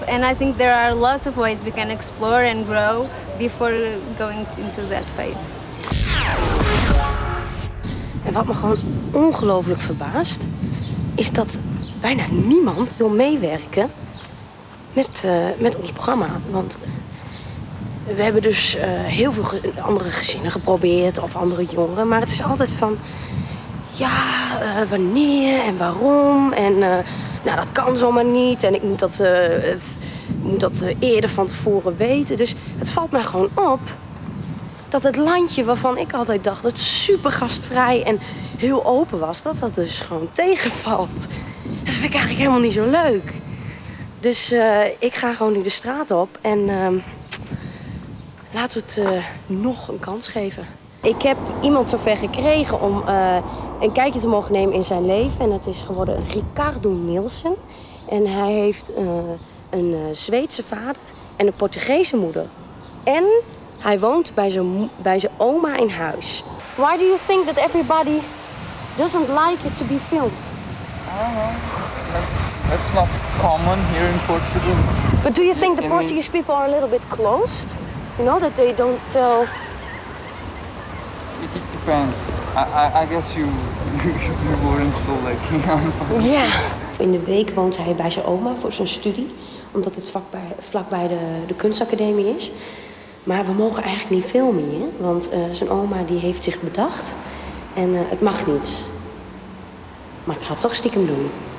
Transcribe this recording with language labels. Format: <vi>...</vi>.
<en>And I think there are lots of ways we can explore and grow before going into that phase.</en> <nl>En wat me gewoon ongelooflijk verbaast, is dat bijna niemand wil meewerken met ons programma. Want we hebben dus heel veel andere gezinnen geprobeerd of andere jongeren. Maar het is altijd van, ja, wanneer en waarom en nou, dat kan zomaar niet en ik moet dat, eerder van tevoren weten. Dus het valt mij gewoon op dat het landje waarvan ik altijd dacht dat super gastvrij en heel open was, dat dat dus gewoon tegenvalt. En dat vind ik eigenlijk helemaal niet zo leuk. Dus ik ga gewoon nu de straat op en laten we het nog een kans geven. Ik heb iemand zover gekregen om een kijkje te mogen nemen in zijn leven. En dat is geworden Ricardo Nielsen. En hij heeft een Zweedse vader en een Portugese moeder. En hij woont bij zijn oma in huis.</nl> <en>Why do you think that everybody doesn't like it to be filmed? That's not common here in Portugal. But do you think the Portuguese people are a little bit closed? You know, that they don't tell... It depends. I guess you weren't so lucky. Yeah.</en> <nl>In de week woont hij bij zijn oma voor zijn studie. Omdat het vlakbij de kunstacademie is. Maar we mogen eigenlijk niet filmen hier. Want zijn oma die heeft zich bedacht. En het mag niet. Maar ik ga het toch stiekem doen.</nl>